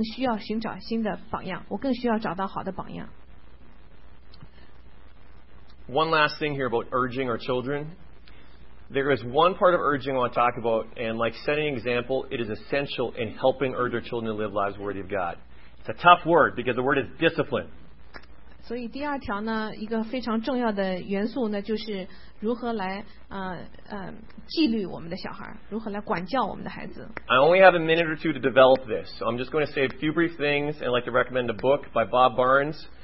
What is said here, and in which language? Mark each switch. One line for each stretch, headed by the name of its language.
Chinese: 诗歌是说，我宁可看见一个讲道，而不是听见一个；我宁可看到有一个人和我同行，而不是给我指路。我的眼睛比我的耳朵更好，我更需要寻找新的榜样，我更需要找到好的榜样。
English: One last thing here about urging our children. There is one part of urging I want to talk about, and like setting an example, it is essential in helping urge our children to live lives worthy of God. It's a tough word, because the word is discipline.
Chinese: 所以第二条呢,一个非常重要的元素呢,就是如何来, 纪律我们的小孩,如何来管教我们的孩子。
English: I only have a minute or two to develop this, so I'm just going to say a few brief things, and I'd like to recommend a book by Bob Barnes.